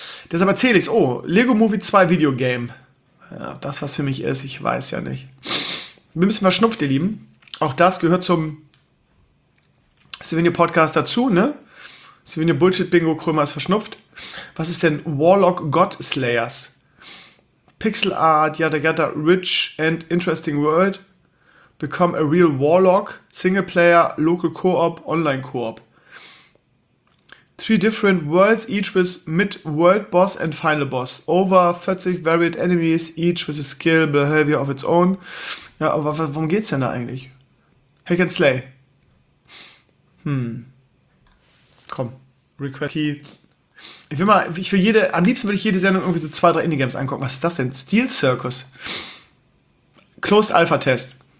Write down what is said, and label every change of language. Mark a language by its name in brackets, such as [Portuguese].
[German] Deshalb erzähle ich es. Oh, Lego Movie 2 Video Game. Ja, das, was für mich ist, ich weiß ja nicht. Wir müssen mal schnupft, ihr Lieben. Auch das gehört zum Sivinio Podcast dazu, ne? Sivinio Bullshit Bingo Krömer ist verschnupft. Was ist denn Warlock God Slayers? [English] Pixel Art, yada yada, rich and interesting world. Become a real Warlock. Singleplayer, local co-op, online co-op. Three different worlds, each with mid-world boss and final boss. Over 40 varied enemies, each with a skill, behavior of its own. [German] Ja, aber worum geht's denn da eigentlich? Hack and Slay. Komm, Request Key. Am liebsten würde ich jede Sendung irgendwie so zwei, drei Indie-Games angucken. Was ist das denn? Steel Circus. Closed Alpha Test.